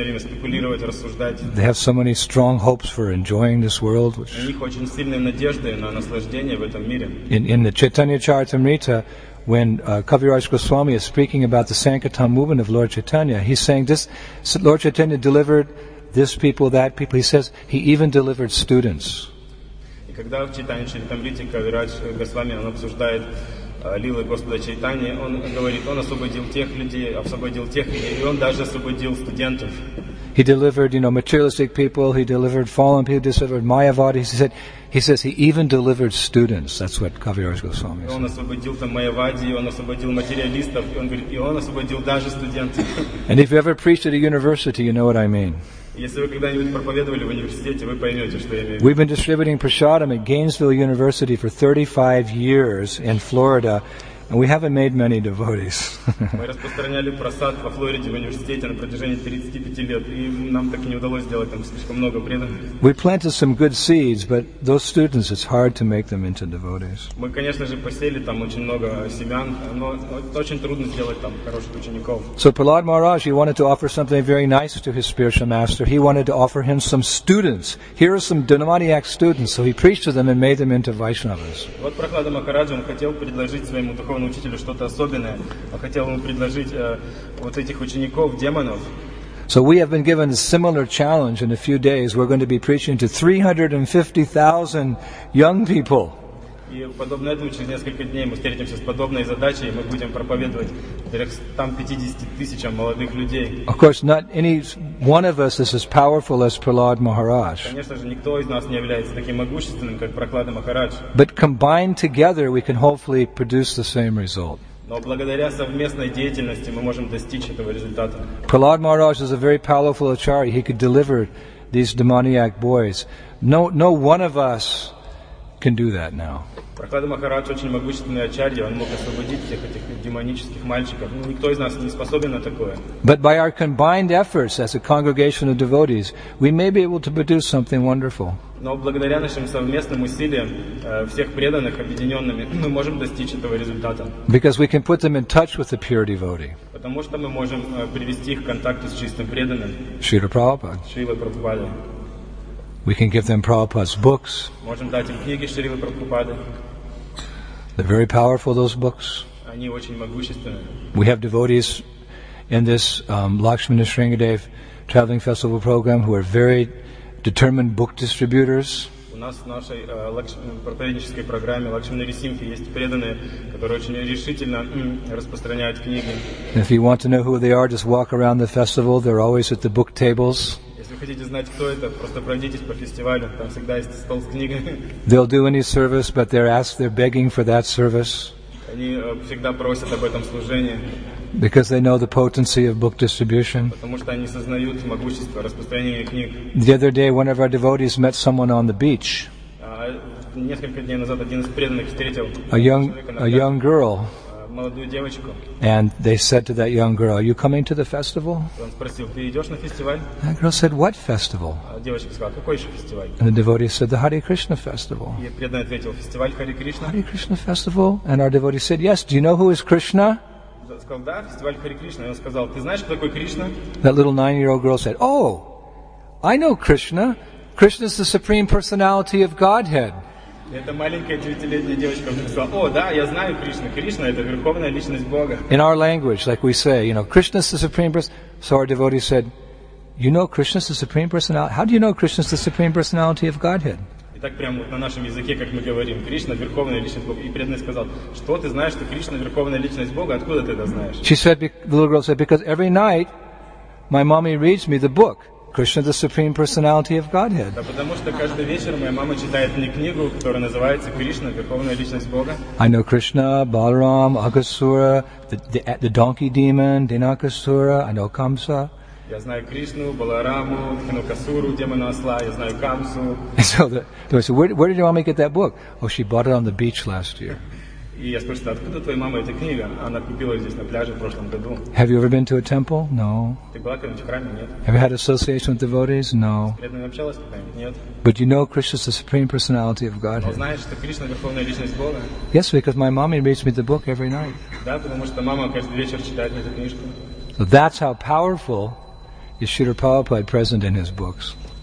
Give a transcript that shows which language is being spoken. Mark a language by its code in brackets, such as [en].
[en] They have so many strong hopes for enjoying this world. In the Chaitanya Charitamrita, when Kaviraj Goswami is speaking about the Sankirtan movement of Lord Chaitanya, he's saying this: Lord Chaitanya delivered this people, that people. He says he even delivered students. [ru] Когда в читании Чайтамриты Кавирадж Госвами он обсуждает лилы Господа Чайтани, он говорит, он освободил тех людей, и он даже освободил студентов. [en] He delivered, you know, materialistic people, he delivered fallen people, he delivered Mayavadis. He says he even delivered students. That's what Kaviraj Goswami said. [ru] Он освободил там Майавади, он освободил материалистов, и он говорит, и он освободил даже студентов. [en] And if you ever preached at a university, you know what I mean. [ru] Если вы когда-нибудь проповедовали в университете, вы поймете, что я имею в виду. [en] We've been distributing prasadam at Gainesville University for 35 years in Florida, and we haven't made many devotees. [ru] Мы распространяли просад во Флориде в университете на протяжении 35 лет, и нам так и не удалось сделать там слишком много преданных. [en] We planted some good seeds, but those students, it's hard to make them into devotees. [ru] Мы, конечно же, посеяли там очень много семян, но очень трудно сделать там хороших учеников. [en] So Prahlad Maharaj, he wanted to offer something very nice to his spiritual master. He wanted to offer him some students. Here are some demoniac students. So he preached to them and made them into Vaishnavas. [ru] Вот Prahlad Maharaj, он хотел предложить своему духовному учителю что-то особенное. Хотел ему предложить вот этих учеников демонов. [en] So we have been given a similar challenge. In a few days, we're going to be preaching to 350,000 young people. [ru] И подобно этому через несколько дней мы встретимся с подобной задачей, и мы будем проповедовать 350,000 молодых людей. [en] Of course, not any one of us is as powerful as Prahlad Maharaj. [ru] Конечно же, никто из нас не является таким могущественным, как Prahlad Maharaj. [en] But combined together, we can hopefully produce the same result. [ru] Но благодаря совместной деятельности мы можем достичь этого результата. [en] Prahlad Maharaj is a very powerful acharya. He could deliver these demoniac boys. No one of us can do that now. [ru] Prahlad Maharaj очень могущественный ачарья. Он мог освободить всех этих демонических мальчиков. Ну, никто из нас не способен на такое. [en] But by our combined efforts as a congregation of devotees, we may be able to produce something wonderful. [ru] Но благодаря нашим совместным усилиям всех преданных объединенными мы можем достичь этого результата. [en] Because we can put them in touch with the pure devotee. [ru] Потому что мы можем привести их в контакт с чистым преданным. Шрила Прабхупада. Шрила Прабхупада. [en] We can give them Prabhupada's books. [ru] Можем дать им книги Шрилы Прабхупады. [en] They're very powerful, those books. [ru] Они очень могущественные. [en] We have devotees in this Lakshmana Sringadev traveling festival program who are very determined book distributors. [ru] У нас в нашей проповеднической программе Лакшмана Рисимхи есть преданные, которые очень решительно распространяют книги. [en] If you want to know who they are, just walk around the festival. They're always at the book tables. [ru] Если хотите знать, кто это, просто пройдитесь по фестивалю. Там всегда есть стол с книгами. [en] They'll do any service, but they're begging for that service. [ru] Они всегда просят об этом служении. [en] Because they know the potency of book distribution. [ru] Потому что они сознают могущество распространения книг. [en] The other day, one of our devotees met someone on the beach. [ru] Несколько дней назад один из преданных встретил [en] a young girl. [ru] Молодую девочку. [en] And they said to that young girl, "Are you coming to the festival?" [ru] Он спросил, "Ты идешь на фестиваль?" [en] That girl said, "What festival?" [ru] Девочка сказала, "Какой еще фестиваль?" [en] And the devotee said, "The Hare Krishna festival." [ru] И преданный ответил, "Фестиваль Хари Кришна." [en] Hare Krishna festival. And our devotee said, "Yes. Do you know who is Krishna?" [ru] Сказал, да, фестиваль Хари Кришна. И он сказал, ты знаешь, кто такой Кришна? [en] That little 9-year-old girl said, "Oh, I know Krishna. Krishna is the supreme personality of Godhead." [ru] Эта маленькая 9-летняя девочка сказала, о, да, я знаю Кришну. Кришна это верховная личность Бога. [en] In our language, like we say, you know, Krishna is the supreme personality. So our devotee said, "You know Krishna is the supreme personality. How do you know Krishna is the supreme personality of Godhead?" [ru] Так прямо вот на нашем языке, как мы говорим, Кришна верховная личность Бога. И преданный сказал, что ты знаешь, что Кришна верховная личность Бога? Откуда ты это знаешь? [en] She said, the little girl said, because every night my mommy reads me the book, Krishna, the supreme personality of Godhead. [ru] Да потому что каждый вечер моя мама читает мне книгу, которая называется Кришна верховная личность Бога. [en] I know Krishna, Balaram, Akasura, the donkey demon, Dinakasura. I know Kamsa. [ru] Я знаю Кришну, Балараму, Хинукасуру, демона осла, я знаю Камсу. [en] So where did your mommy get that book? Oh, she bought it on the beach last year. [ru] И я спросил, откуда твоя мама эта книга? Она купила здесь на пляже в прошлом году. [en] Have you ever been to a temple? No. [ru] Ты была когда-нибудь в храме? Нет. [en] Have you had association with devotees? No. [ru] С преданными общалась когда-нибудь? Нет. [en] But you know Krishna is the supreme personality of Godhead. [ru] Но знаешь, что Кришна верховная личность Бога? [en] Yes, because my mommy reads me the book every night. [ru] Да, потому что мама каждый вечер читает мне эту книжку. [en] So that's how powerful is Śrīla Prabhupāda present in his books.